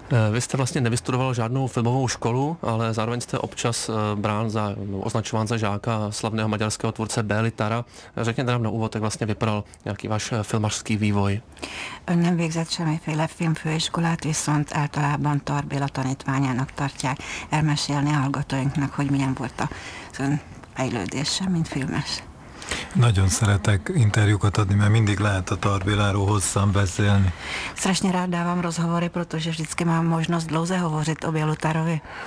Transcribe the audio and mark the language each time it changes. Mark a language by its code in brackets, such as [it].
[cs] Vy jste vlastně nevystudoval žádnou filmovou školu, ale zároveň jste občas brán za označován za žáka slavného maďarského tvůrce Bélitara. Řekněte nám na úvod, jak vlastně vypadal nějaký váš filmařský vývoj. [hu] Nem végzett semmiféle filmfőiskolát, viszont általában Tarbéla tanítványának tartják elmesélni a hallgatóinknak, hogy milyen volt a fejlődése, mint filmes. Nagyon szeretek interjúkat adni, mert mindig lehet a Tarbéláról hosszan beszélni. [cs] Strašně rád dávám rozhovory, protože vždycky mám možnost dlouze hovořit o Bélitarovi.